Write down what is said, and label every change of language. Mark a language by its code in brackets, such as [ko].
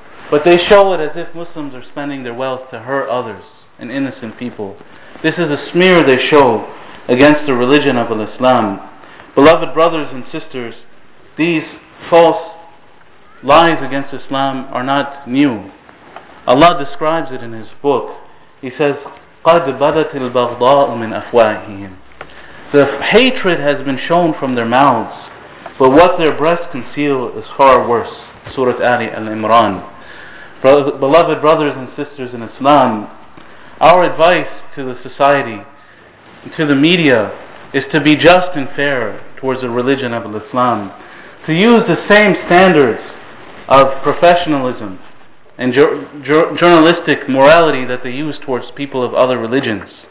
[en] But they show it as if Muslims are spending their wealth to hurt others and innocent people. This is a smear they show against the religion of Islam. Beloved brothers and sisters, these false lies against Islam are not new. Allah describes it in His book. He says, [ar] قَدْ بَدَتِ الْبَغْضَاءُ مِنْ أَفْوَاهِهِمْ. [en] The hatred has been shown from their mouths, but what their breasts conceal is far worse. Surah Ali Al-Imran. Beloved brothers and sisters in Islam, our advice to the society, to the media, is to be just and fair towards the religion of Islam, to use the same standards of professionalism and journalistic morality that they use towards people of other religions,